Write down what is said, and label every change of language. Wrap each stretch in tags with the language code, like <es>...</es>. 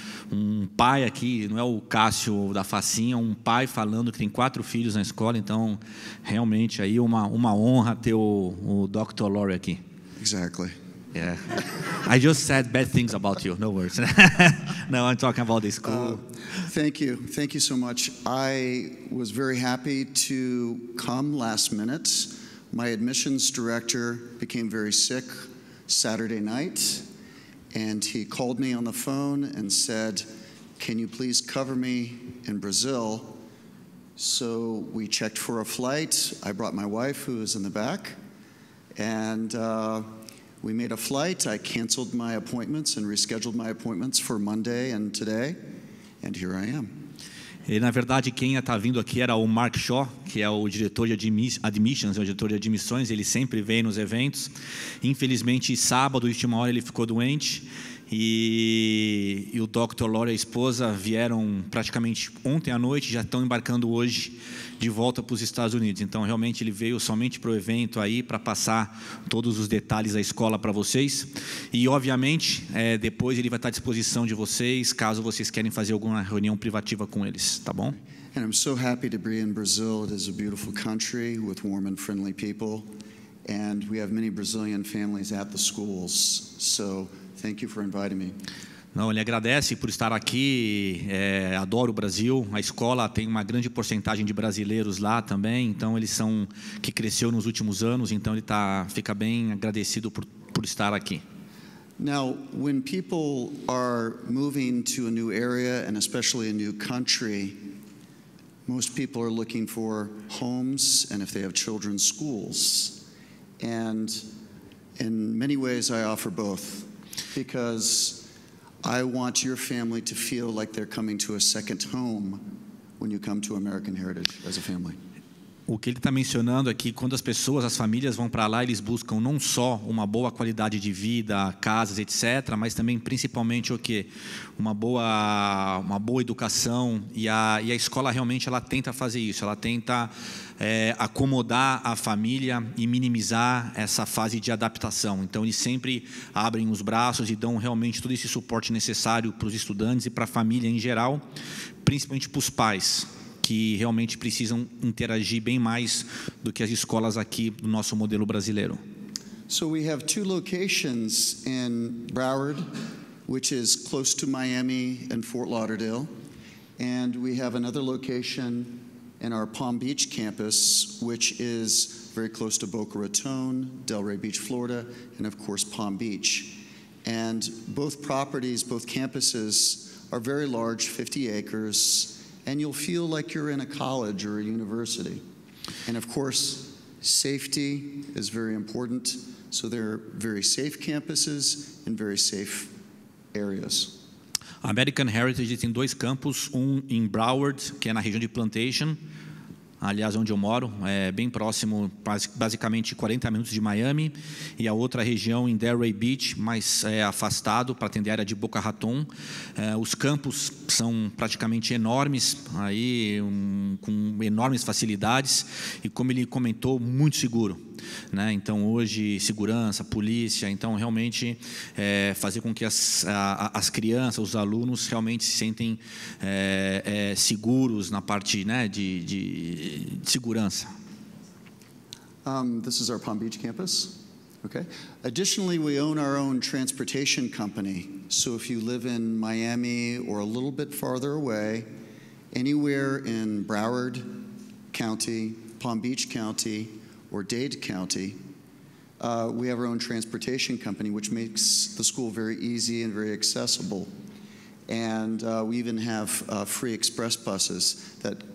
<pt>É um pai aqui, não é o Cássio da Facinha, um pai falando que tem 4 filhos na escola. Então, realmente, aí uma honra ter o Dr. Laurie aqui.</pt> <en>Exactly. Yeah. I just said bad things about you. No words. No, I'm talking about the school. Thank you so much. I was very happy to come last minute. My admissions director became very sick Saturday night, and he called me on the phone and said, can you please cover me in Brazil? So we checked for a flight. I brought my wife, who is in the back, and we made a flight. I canceled my appointments and rescheduled my appointments for Monday and today, and here I am.</en> <pt>E, na verdade, quem ia estar vindo aqui era o Mark Shaw, que é o diretor de admissions, é o diretor de admissões, ele sempre vem nos eventos. Infelizmente, sábado, última hora, ele ficou doente. E o Dr. Laurie e a esposa vieram praticamente ontem à noite, já estão embarcando hoje de volta para os Estados Unidos. Então, realmente, ele veio somente para o evento aí para passar todos os detalhes da escola para vocês. E, obviamente, depois ele vai estar à disposição de vocês, caso vocês querem fazer alguma reunião privativa com eles, tá bom?</pt> <en>And I'm so happy to be in Brazil. It is a beautiful country with warm and friendly people, and we have many Brazilian families at the schools. So, thank you for inviting me.</en> <pt>Não, ele agradece por estar aqui, adoro o Brasil. A escola tem uma grande porcentagem de brasileiros lá também, então eles são que cresceu nos últimos anos, então ele fica bem agradecido por estar aqui.</pt> <en>Now, when people are moving to a new area and especially a new country, most people are looking for homes and if they have children, schools. And in many ways I offer both. Because I want your family to feel like they're coming to a second home when you come to American Heritage as a family.</en> <pt>O que ele está mencionando é que quando as pessoas, as famílias vão para lá, eles buscam não só uma boa qualidade de vida, casas, etc., mas também, principalmente, o quê? Uma boa educação. E a escola, realmente, ela tenta fazer isso. Ela tenta acomodar a família e minimizar essa fase de adaptação. Então, eles sempre abrem os braços e dão, realmente, todo esse suporte necessário para os estudantes e para a família em geral, principalmente para os pais, que realmente precisam interagir bem mais do que as escolas aqui do nosso modelo brasileiro.</pt> <en>So we have 2 locations in Broward, which is close to Miami and Fort Lauderdale, and we have another location in our Palm Beach campus, which is very close to Boca Raton, Delray Beach, Florida, and of course Palm Beach. And both properties, both campuses are very large, 50 acres. And you'll feel like you're in a college or a university. And of course, safety is very important. So they're very safe campuses and very safe areas.</en> <pt>American Heritage tem 2 campus, em Broward, que é na região de Plantation, aliás, onde eu moro, bem próximo, basicamente 40 minutos de Miami, e a outra região em Delray Beach, mais afastado, para atender a área de Boca Raton. Os campos são praticamente enormes, aí, com enormes facilidades, e como ele comentou, muito seguro. Né? Então, hoje, segurança, polícia, então, realmente, fazer com que as crianças, os alunos, realmente se sentem seguros na parte, né, de segurança.</pt> <en>This is our Palm Beach campus. Okay. Additionally, we own our own transportation company. So, if you live in Miami or a little bit farther away, anywhere in Broward County, Palm Beach County, or Dade County, we have our own transportation company, which makes the school very easy and very accessible. And we even have free express buses that</en>